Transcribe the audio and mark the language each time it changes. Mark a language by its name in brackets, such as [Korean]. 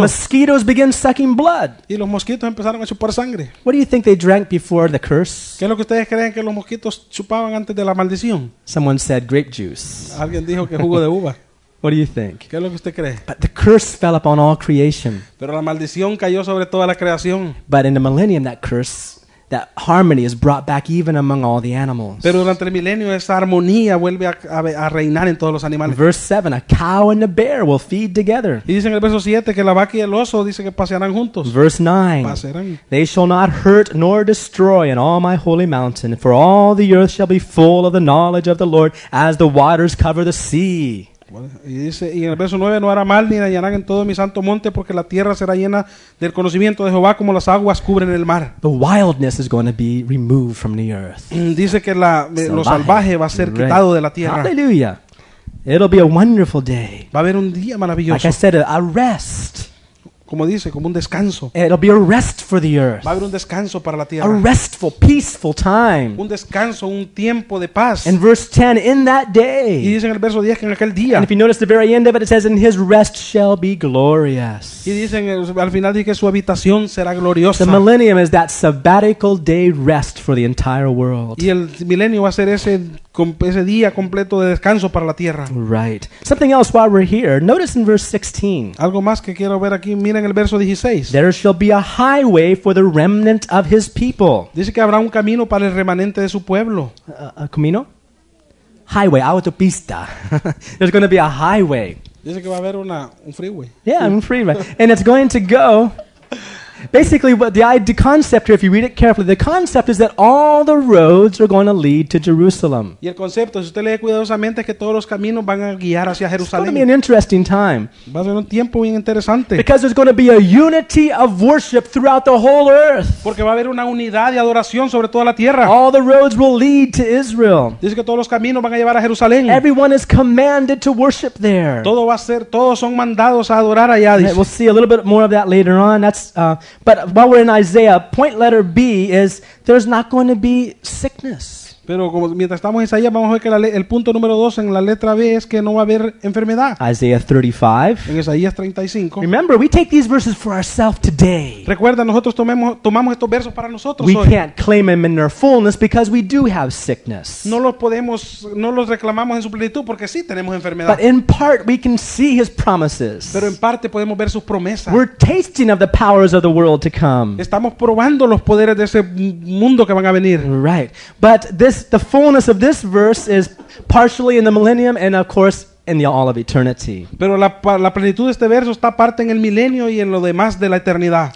[English] Mosquitoes began sucking blood. [Spanish] Y los mosquitos empezaron a chupar sangre. [English] What do you think they drank before the curse? [Spanish] ¿Qué es lo que ustedes creen que los mosquitos chupaban antes de la maldición? [English] Someone said grape juice. [Spanish] Alguien dijo que jugo de uva. [English] What do you think? [Spanish] ¿Qué es lo que usted cree? [English] But the curse fell upon all creation. [Spanish] Pero la maldición cayó sobre toda la creación. [English] But in the millennium, that curse, that harmony is brought back even among all the animals. [Spanish] Pero durante el milenio esa armonía vuelve a reinar en todos los animales. [English] Verse 7, a cow and a bear will feed together. [Spanish] Y dice en el verso 7 que la vaca y el oso dice que pasearán juntos. [English] Verse 9, [Spanish] pasearán. [English] They shall not hurt nor destroy in all my holy mountain, for all the earth shall be full of the knowledge of the Lord as the waters cover the sea. [Spanish] Y dice, y en el verso 9, no hará mal ni dañarán en todo mi santo monte, porque la tierra será llena del conocimiento de Jehová como las aguas cubren el mar. [English] The wildness is going to be removed from the earth. [Spanish] Dice que lo salvaje va a ser quitado de la tierra. [English] Aleluya. It'll be a wonderful day. [Spanish] Va a haber un día maravilloso. [English] Like I said, a rest. [Spanish] Como dice, como un descanso. [English] It'll be a rest for the earth. [Spanish] Va a haber un descanso para la tierra. [English] A restful, peaceful time. [Spanish] Un descanso, un tiempo de paz. [English] In verse 10, in that day. [Spanish] Y dice en el verso 10 que en aquel día. [English] And if you notice the very end of it, it says, "And his rest shall be glorious." [Spanish] Y dice al final dice que su habitación será gloriosa. [English] The millennium is that sabbatical day rest for the entire world. [Spanish] Y el milenio va a ser ese día completo de descanso para la tierra. [English] Right. Something else while we're here. Notice in verse 16. [Spanish] Algo más que quiero ver aquí. Mira en el verso 16. [English] There shall be a highway for the remnant of his people. [Spanish] Dice que habrá un camino para el remanente de su pueblo. A camino? Highway, autopista. [English] There's going to be a highway. [Spanish] Dice que va a haber un freeway. [English] Yeah, [Spanish] un freeway. [English] And it's going to go. Basically, what the concept here, if you read it carefully, the concept is that all the roads are going to lead to Jerusalem. [Spanish] Y el concepto, si usted lee cuidadosamente, es que todos los caminos van a guiar hacia Jerusalén. [English] It's going to be an interesting time. [Spanish] Va a ser un tiempo bien interesante. [English] Because there's going to be a unity of worship throughout the whole earth. [Spanish] Porque va a haber una unidad de adoración sobre toda la tierra. [English] All the roads will lead to Israel. [Spanish] Dice que todos los caminos van a llevar a Jerusalén. [English] Everyone is commanded to worship there. [Spanish] Todo va a ser, todos son mandados a adorar allá. [English] Right, we'll see a little bit more of that later on. But while we're in Isaiah, point letter B is there's not going to be sickness. [Spanish] Pero como mientras estamos en Isaías vamos a ver que el punto número 2 en la letra B es que no va a haber enfermedad. [English] Isaiah 35. [Spanish] En Isaías 35. [English] Remember, we take these verses for ourselves today. [Spanish] Recuerda, nosotros tomamos estos versos para nosotros [English] we [Spanish] hoy. [English] We can't claim them in their fullness because we do have sickness. [Spanish] No los reclamamos en su plenitud porque sí tenemos enfermedad. [English] But in part we can see his promises. [Spanish] Pero en parte podemos ver sus promesas. [English] We're tasting of the powers of the world to come. [Spanish] Estamos probando los poderes de ese mundo que van a venir. [English] Right. But the fullness of this verse is partially in the millennium and of course in the all of eternity. [Spanish] Pero la plenitud de este verso está parte en el milenio y en lo demás de la eternidad.